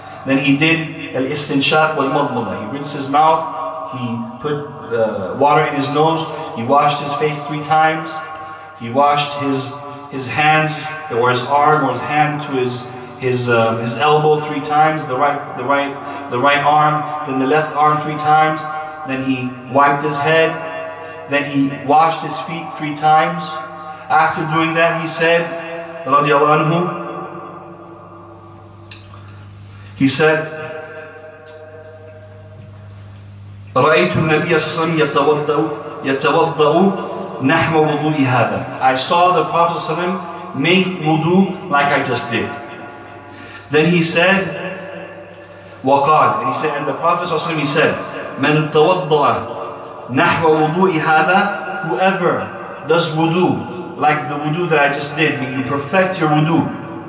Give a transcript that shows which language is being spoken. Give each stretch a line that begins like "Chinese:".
English: Then he did al-istinshaq wal-madmada. He rinsed his mouth, he put water in his nose, he washed his face three times, he washed his hands, or his arm, or his hand to his elbow three times, the right arm, then the left arm three times, then he wiped his head, then he washed his feet three times. After doing that, he said,
Arabic: radiallahu anhu, he said, رَأَيْتُ النَّبِيَ صَلَّى اللَّهُ عَلَيْهِ وَسَلَّمَ يَتَوَضَّعُ نَحْوَ وُضُوءِ هَذَا.
English: I saw the Prophet ﷺ make wudu like I just did. Then he said,
Arabic: وَقَالَ,
English: and he said, and the Prophet ﷺ, he said,
Arabic: مَنْ تَوَضَّعَ نَحْوَ وُضُوءِ هَذَا,
English: whoever does wudu, like the wudu that I just did, when you perfect your wudu.